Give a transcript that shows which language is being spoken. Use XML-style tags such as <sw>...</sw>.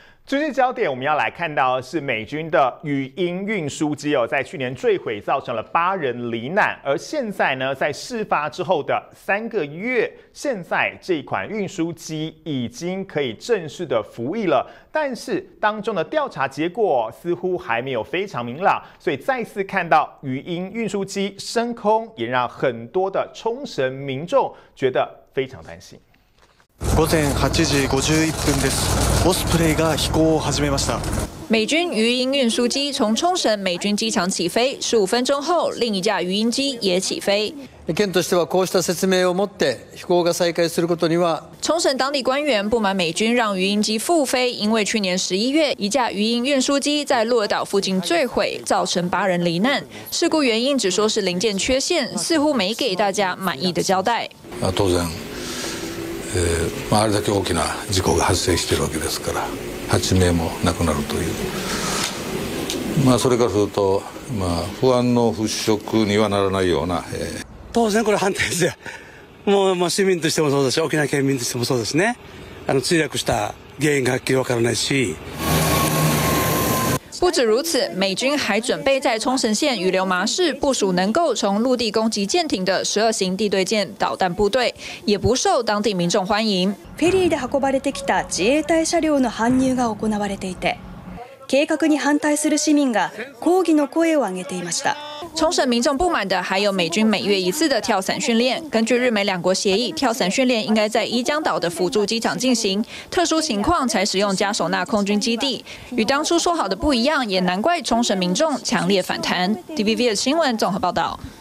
<zh>最近焦点我们要来看到的是美军的语音运输机哦，在去年坠毁造成了8人罹难，而现在呢，在事发之后的3个月，现在这款运输机已经可以正式的服役了，但是当中的调查结果似乎还没有非常明朗，所以再次看到语音运输机升空，也让很多的冲绳民众觉得非常担心。</zh> <ja>午前8時51分です。オスプレイが飛行を始めました。</ja> <zh>美军鱼鹰运输机从冲绳美军机场起飞，15分钟后，另一架鱼鹰机也起飞。</zh> <ja>県としてはこうした説明をもって飛行が再開することには、</ja> <zh>冲绳当地官员不满美军让鱼鹰机复飞，因为去年11月一架鱼鹰运输机在鹿儿岛附近坠毁，造成8人罹难。事故原因只说是零件缺陷，似乎没给大家满意的交代。当然。</zh> <ja>あれだけ大きな事故が発生しているわけですから、8名も亡くなるという、まあ、それからすると、まあ、不安の払拭にはならないような、当然これ反対ですよ、もう市民としてもそうだし、沖縄県民としてもそうですね、墜落した原因がはっきり分からないし。</ja> <zh>不止如此，美军还准备在冲绳县与流麻市部署能够从陆地攻击舰艇的12型地对舰导弹部队，也不受当地民众欢迎。</zh> <ja>フェリーで運ばれてきた自衛隊車両の搬入が行われていて、計画に反対する市民が抗議の声を上げていました。</ja> <zh>冲绳民众不满的还有美军每月一次的跳伞训练。根据日美两国协议，跳伞训练应该在伊江岛的辅助机场进行，特殊情况才使用加守纳空军基地。与当初说好的不一样，也难怪冲绳民众强烈反弹。 TVBS 新闻综合报道。</zh>